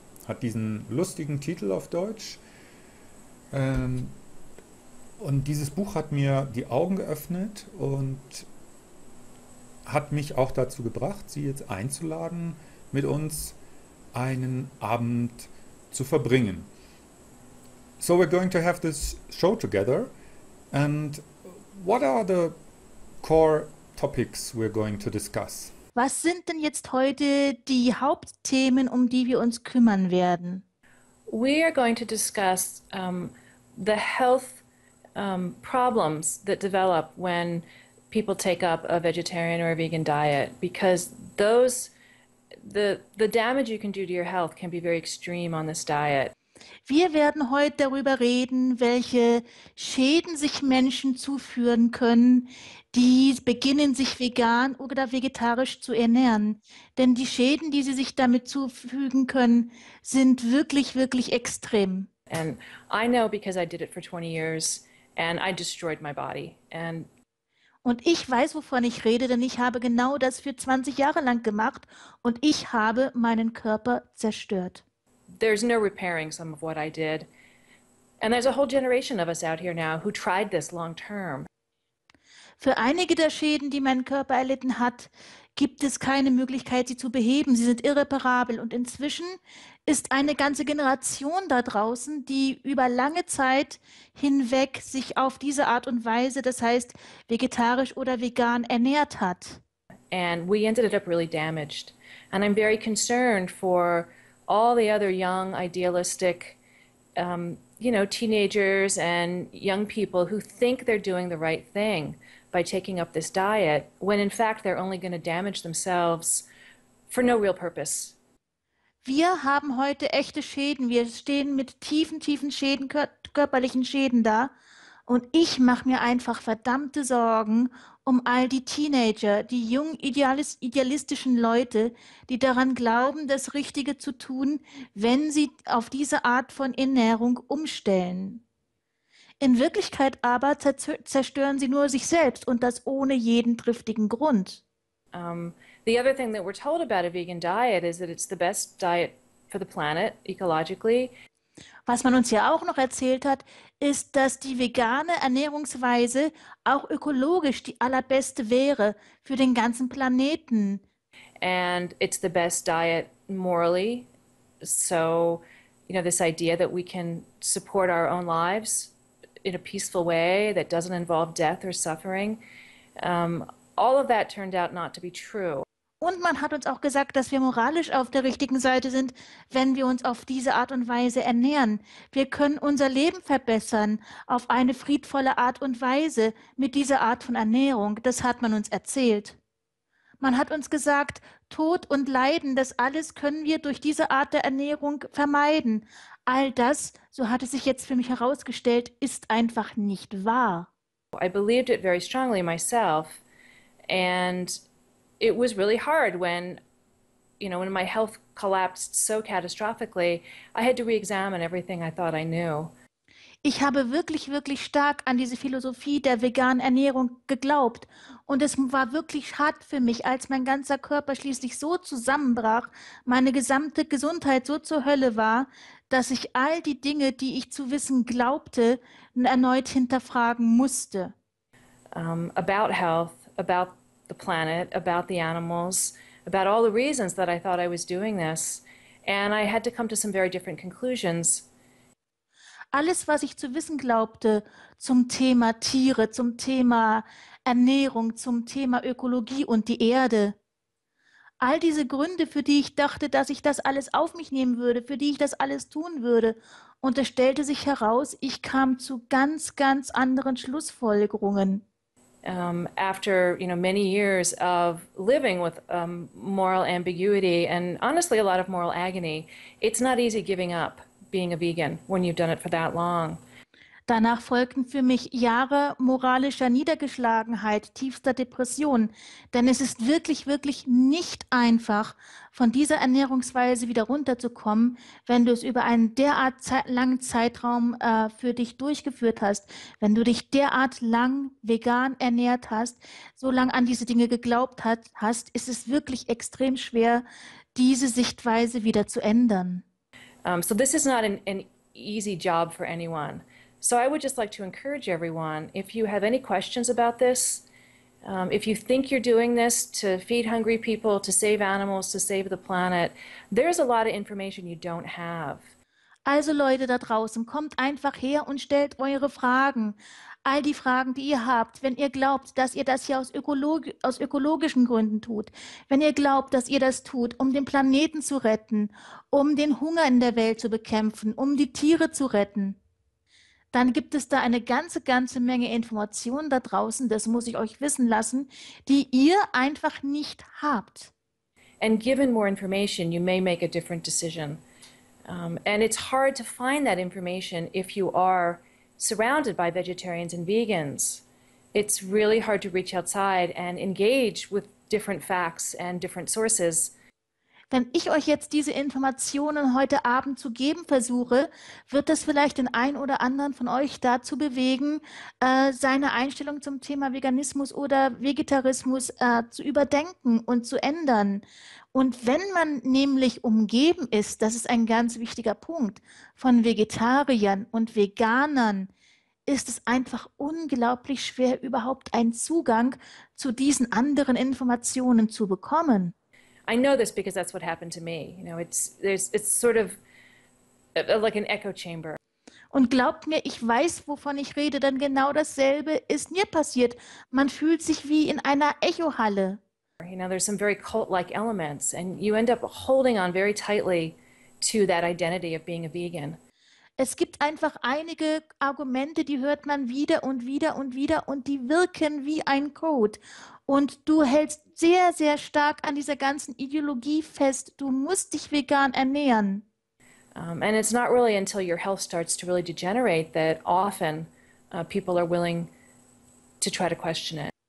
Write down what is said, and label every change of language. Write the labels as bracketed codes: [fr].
[de] Hat diesen lustigen Titel auf Deutsch. Und dieses Buch hat mir die Augen geöffnet und hat mich auch dazu gebracht, Sie jetzt einzuladen, mit uns einen Abend zu verbringen. [en] So we're going to have this show together. And what are the core topics we're going to discuss? [de] Was sind denn jetzt heute die Hauptthemen, um die wir uns kümmern werden? [en] We are going to discuss the health problems that develop when people take up a vegetarian or a vegan diet, because the damage you can do to your health can be very extreme on this diet. [de] Wir werden heute darüber reden, welche Schäden sich Menschen zuführen können, die beginnen, sich vegan oder vegetarisch zu ernähren. Denn die Schäden, die sie sich damit zufügen können, sind wirklich, wirklich extrem. [en] And I know because I did it for 20 years and I destroyed my body. And [de] Und ich weiß, wovon ich rede, denn ich habe genau das für 20 Jahre lang gemacht und ich habe meinen Körper zerstört. [en] there's no repairing some of what I did. And there's a whole generation of us out here now who tried this long term. [de] Für einige der Schäden, die mein Körper erlitten hat, gibt es keine Möglichkeit, sie zu beheben. Sie sind irreparabel. Und inzwischen ist eine ganze Generation da draußen, die über lange Zeit hinweg sich auf diese Art und Weise, das heißt vegetarisch oder vegan, ernährt hat. [en] And we ended up really damaged. And I'm very concerned for all the other young, idealistic, teenagers and young people who think they're doing the right thing by taking up this diet, when in fact they're only going to damage themselves for no real purpose. [de] Wir haben heute echte Schäden. Wir stehen mit tiefen, tiefen Schäden, körperlichen Schäden da. Und ich mache mir einfach verdammte Sorgen um all die Teenager, die jungen, idealistischen Leute, die daran glauben, das Richtige zu tun, wenn sie auf diese Art von Ernährung umstellen. In Wirklichkeit aber zerstören sie nur sich selbst und das ohne jeden triftigen Grund. [en] The other thing that we're told about a vegan diet is that it's the best diet for the planet, ecologically. [de] Was man uns ja auch noch erzählt hat, ist, dass die vegane Ernährungsweise auch ökologisch die allerbeste wäre für den ganzen Planeten. [en] And it's the best diet morally. So, this idea that we can support our own lives in a peaceful way that doesn't involve death or suffering. All of that turned out not to be true. [de] Und man hat uns auch gesagt, dass wir moralisch auf der richtigen Seite sind, wenn wir uns auf diese Art und Weise ernähren. Wir können unser Leben verbessern auf eine friedvolle Art und Weise mit dieser Art von Ernährung. Das hat man uns erzählt. Man hat uns gesagt, Tod und Leiden, das alles können wir durch diese Art der Ernährung vermeiden. All das, so hat es sich jetzt für mich herausgestellt, ist einfach nicht wahr. [en] I believed it very strongly myself. And it was really hard when my health collapsed so catastrophically, I had to re-examine everything I thought I knew. [de] Ich habe wirklich, wirklich stark an diese Philosophie der veganen Ernährung geglaubt. Und es war wirklich hart für mich, als mein ganzer Körper schließlich so zusammenbrach, meine gesamte Gesundheit so zur Hölle war, dass ich all die Dinge, die ich zu wissen glaubte, erneut hinterfragen musste. [en] About health, about the planet, about the animals, about all the reasons that I thought I was doing this. And I had to come to some very different conclusions. [de] Alles, was ich zu wissen glaubte zum Thema Tiere, zum Thema Ernährung, zum Thema Ökologie und die Erde, all diese Gründe, für die ich dachte, dass ich das alles auf mich nehmen würde, für die ich das alles tun würde, und es stellte sich heraus, ich kam zu ganz, ganz anderen Schlussfolgerungen. [en] After many years of living with moral ambiguity and honestly a lot of moral agony, it's not easy giving up being a vegan when you've done it for that long. [de] Danach folgten für mich Jahre moralischer Niedergeschlagenheit, tiefster Depression. Denn es ist wirklich, wirklich nicht einfach, von dieser Ernährungsweise wieder runterzukommen, wenn du es über einen derart langen Zeitraum für dich durchgeführt hast, wenn du dich derart lang vegan ernährt hast, so lang an diese Dinge geglaubt hast, ist es wirklich extrem schwer, diese Sichtweise wieder zu ändern. [en] So this is not an easy job for anyone. So I would just like to encourage everyone, if you have any questions about this, if you think you're doing this to feed hungry people, to save animals, to save the planet, there's a lot of information you don't have. [de] Also Leute da draußen, kommt einfach her und stellt eure Fragen. All die Fragen, die ihr habt, wenn ihr glaubt, dass ihr das hier aus ökologischen Gründen tut, wenn ihr glaubt, dass ihr das tut, um den Planeten zu retten, um den Hunger in der Welt zu bekämpfen, um die Tiere zu retten, dann gibt es da eine ganze, ganze Menge Informationen da draußen, das muss ich euch wissen lassen, die ihr einfach nicht habt. [en] And given more information, you may make a different decision. And it's hard to find that information if you are surrounded by vegetarians and vegans. It's really hard to reach outside and engage with different facts and different sources. [de] Wenn ich euch jetzt diese Informationen heute Abend zu geben versuche, wird das vielleicht den einen oder anderen von euch dazu bewegen, seine Einstellung zum Thema Veganismus oder Vegetarismus zu überdenken und zu ändern. Und wenn man nämlich umgeben ist, das ist ein ganz wichtiger Punkt, von Vegetariern und Veganern, ist es einfach unglaublich schwer, überhaupt einen Zugang zu diesen anderen Informationen zu bekommen. [en] I know this because that's what happened to me. You know, it's sort of like an echo chamber. [de] Und glaubt mir, ich weiß, wovon ich rede, denn genau dasselbe ist mir passiert. Man fühlt sich wie in einer Echohalle. [en] You know, there's some very cult-like elements, and you end up holding on very tightly to that identity of being a vegan. [de] Es gibt einfach einige Argumente, die hört man wieder und wieder und wieder und die wirken wie ein Code. Und du hältst sehr, sehr stark an dieser ganzen Ideologie fest. Du musst dich vegan ernähren. [en] And it's not really until your health starts to really degenerate that often people are willing to try to question it.